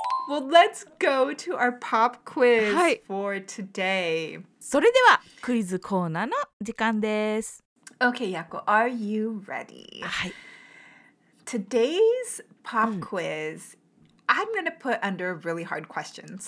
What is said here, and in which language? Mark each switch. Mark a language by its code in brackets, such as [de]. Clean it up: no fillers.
[en] Well, let's go to our pop quiz、はい、for today. [ja] それではクイズコーナーの時間です。 [en] Okay, Yako, are you ready? [ja] はい。 [en] Today's pop quiz,、うん、I'm going to put under really hard questions.